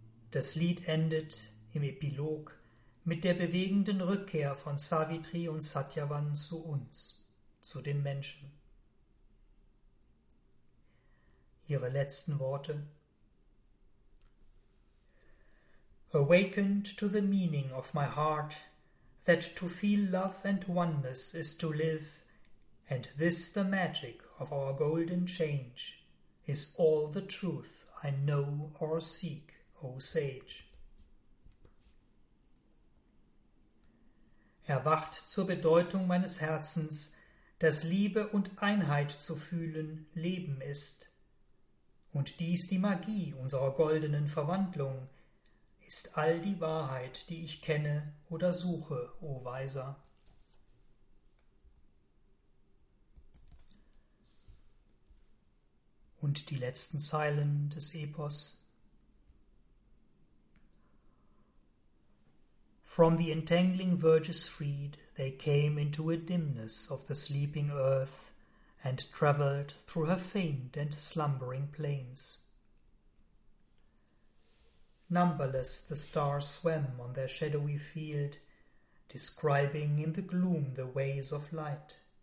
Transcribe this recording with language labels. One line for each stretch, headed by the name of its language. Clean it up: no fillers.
German: Das Lied endet im Epilog mit der bewegenden Rückkehr von Savitri und Satyavan zu uns, zu den Menschen. Ihre letzten Worte:
English: Awakened to the meaning of my heart, that to feel love and oneness is to live, and this the magic of our golden change, is all the truth I know or seek, O Sage.
German: Erwacht zur Bedeutung meines Herzens, dass Liebe und Einheit zu fühlen Leben ist, und dies die Magie unserer goldenen Verwandlung, ist all die Wahrheit, die ich kenne oder suche, o Weiser. Und die letzten Zeilen des Epos.
English: From the entangling verges freed, they came into a dimness of the sleeping earth and travelled through her faint and slumbering plains. Numberless the stars swam on their shadowy field, describing in the gloom the ways of light.